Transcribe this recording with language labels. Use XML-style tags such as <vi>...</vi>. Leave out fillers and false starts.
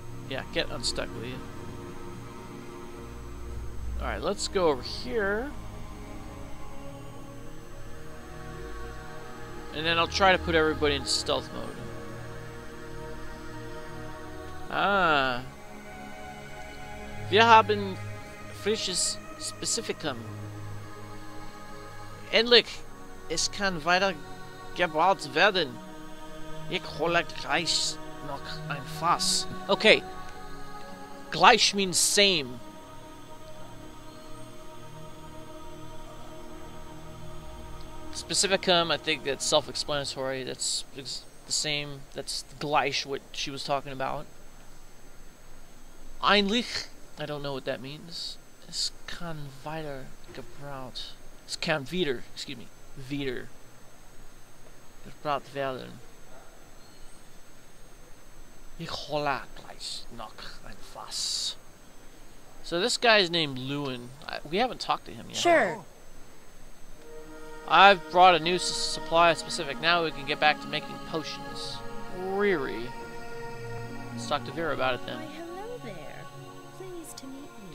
<en>Yeah, get unstuck, will you? Alright, let's go over here. And then I'll try to put everybody in stealth mode. Ah.</en> <de>Wir haben frisches Spezifikum. Endlich, es kann weiter gebaut werden. Ich hole gleich noch ein Fass.</de> <en>Okay. Gleich means same. Specificum, I think that's self-explanatory. That's the same. That's gleich, what she was talking about. Einlich, I don't know what that means.</en> <de>Es kann weiter gebraut. Es kann wieder,</de> <en>excuse me,</en> <de>wieder gebraut werden. Ich hole gleich noch ein Fass.</de> <en>So this guy's named Lewin. We haven't talked to him yet. Sure. I've brought a new supply specific. Now we can get back to making potions. Riri. Let's talk to Vera about it then. Why, hello there. Pleased to meet you.</en>